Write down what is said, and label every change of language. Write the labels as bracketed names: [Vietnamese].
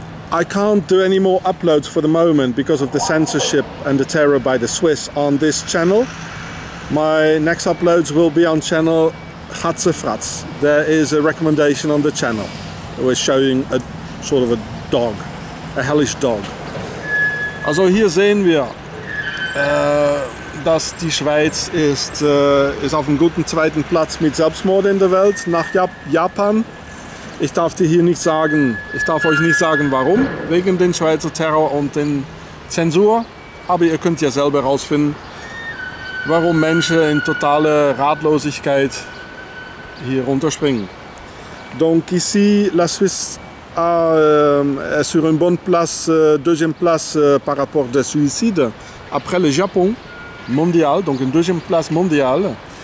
[English] I can't do any more uploads for the moment because of the censorship and the terror by the Swiss on this channel. My next uploads will be on channel chatzefratz. There is a recommendation on the channel. We're showing a sort of a dog, a hellish dog. [German] Also hier sehen wir, dass die Schweiz ist auf einem guten zweiten Platz mit Selbstmord in der Welt nach Japan. Ich darf dir hier nicht sagen, ich darf euch nicht sagen, warum. Wegen den Schweizer Terror und den Zensur. Aber ihr könnt ja selber herausfinden, warum Menschen in totale Ratlosigkeit hier runterspringen. [French] Donc ici, la Suisse est sur une bonne place, deuxième place par rapport des suicides. Après le Japon, mondial, donc une deuxième place mondiale.